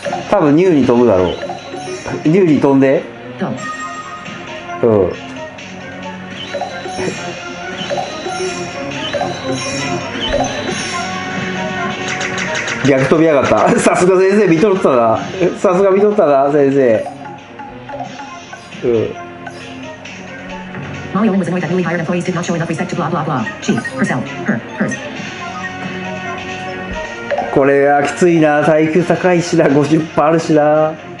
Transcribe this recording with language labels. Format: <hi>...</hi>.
<ja>多分ニューに飛ぶだろう。ニューに飛んで。うん。逆飛びやがった。さすが先生見とったな。さすが見とったな先生。</ja> <en>Mario was annoyed that newly hired employees did not show enough respect to blah blah blah. She, herself, her, hers.</en> <ja>これはきついな、耐久高いしな、50% あるしな。</ja>